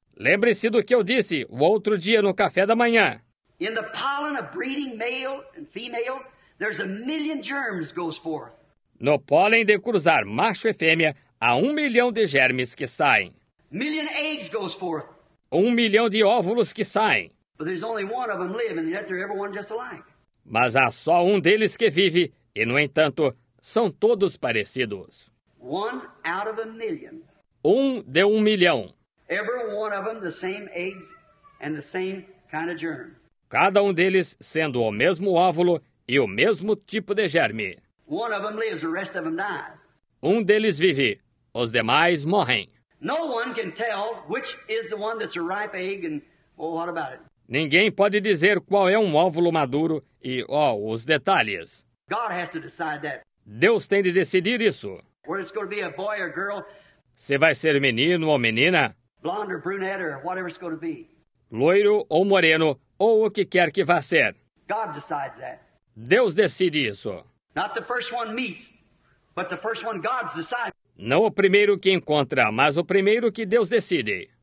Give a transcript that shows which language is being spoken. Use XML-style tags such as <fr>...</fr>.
<pt>Lembre-se do que eu disse o outro dia no café da manhã.</pt> <en>In the pollen of breeding male and female, there's a million germs goes forth.</en> <pt>No pólen de cruzar macho e fêmea, há 1 milhão de germes que saem.</pt> <en>Million eggs goes forth.</en> <pt>1 milhão de óvulos que saem.</pt> <en>But there's only one of them live, and yet they're everyone just alike.</en> <pt>Mas há só um deles que vive, e no entanto, são todos parecidos.</pt> <en>One out of a million.</en> <pt>Um de 1 milhão.</pt> <en>Every one of them the same eggs and the same kind of germ.</en> <pt>Cada um deles sendo o mesmo óvulo e o mesmo tipo de germe.</pt> <en>One of them lives, the rest of them dies.</en> <pt>Um deles vive, os demais morrem.</pt> <en>No one can tell which is the one that's a ripe egg and well, what about it?</en> <pt>Ninguém pode dizer qual é um óvulo maduro e, ó, os detalhes.</pt> <en>God has to decide that.</en> <pt>Deus tem de decidir isso.</pt> <en>Whether it's going to be a boy or girl.</en> <pt>Se vai ser menino ou menina.</pt> <en>Blonde or brunette or whatever it's going to be.</en> <pt>Loiro ou moreno, ou o que quer que vá ser.</pt> <en>God decides that.</en> <pt>Deus decide isso.</pt> <en>Not the first one meets, but the first one God's decided.</en> <pt>Não o primeiro que encontra, mas o primeiro que Deus decide.</pt>